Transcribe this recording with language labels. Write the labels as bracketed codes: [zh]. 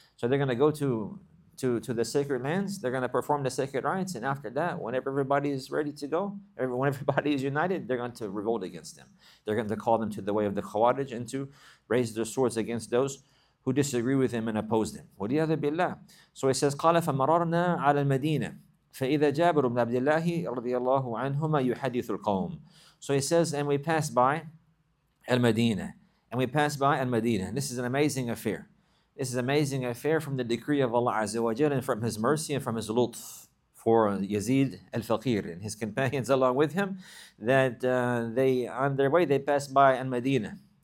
[en] So they're going to go to the sacred lands. They're going to perform the sacred rites. And after that, whenever everybody is ready to go, when everybody is united, they're going to revolt against them. They're going to call them to the way of the Khawarij and to raise their swords against those who disagree with him and oppose him. [ar] وَلِيَذَ بِاللَّهِ. [en] So he says, [ar] قَالَ فَمَرَرْنَا عَلَى الْمَدِينَةِ فَإِذَا جَابِرُ بْنَ عَبْدِ اللَّهِ رَضِيَ اللَّهُ عَنْهُمَا يُحَدِّثُ الْقَوْمِ. [en] So he says, and we passed by Al-Madinah. And we passed by Al-Madinah. This is an amazing affair. This is an amazing affair from the decree of Allah Azza wa Jal and from His mercy and from His lutf for Yazid al-Faqir and his companions along with him, that they on their way, they passed by Al-Madinah.